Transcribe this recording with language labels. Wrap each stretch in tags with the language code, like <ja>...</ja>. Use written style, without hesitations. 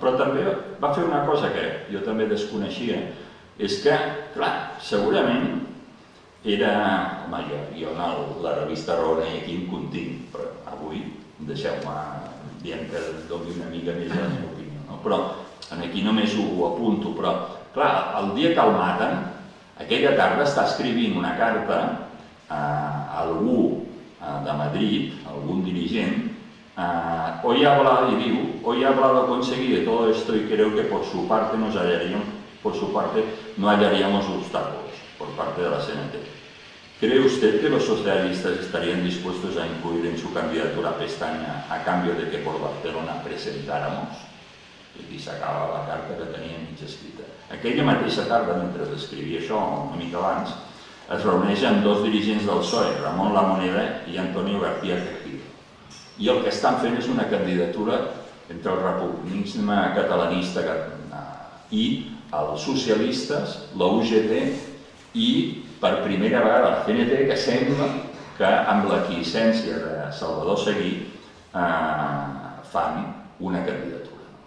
<ca>Però també va fer una cosa que jo també desconeixia, és que, clar, segurament era, home, jo en la revista Rona i aquí en continc, però avui deixeu-me dient que doni una mica més la meva opinió, no? Però aquí només ho apunto, però clar, el dia que el maten, aquella tarda està escrivint una carta a algú de Madrid, a algun dirigent,</ca> <es>hoy he hablado,</es> <ca>y diu,</ca> <es>hoy he hablado con Seguí de todo esto y creo que por su parte nos hallaríamos, por su parte no hallaríamos obstáculos, por parte de la CNT. ¿Cree usted que los socialistas estarían dispuestos a incluir en su candidatura a Pestaña a cambio de que por Barcelona presentáramos?</es> <ca>I aquí s'acaba la carta que tenia mig escrita. Aquella mateixa tarda, mentre escrivia això, una mica abans, es reuneix amb dos dirigents del PSOE, Ramon Lamoneda i Antonio García Cajillo. I el que estan fent és una candidatura entre el republicanisme catalanista i els socialistes, la UGT i per primera vegada la CNT, que sembla que amb l'equicència de Salvador Seguí fan una candidatura.</ca>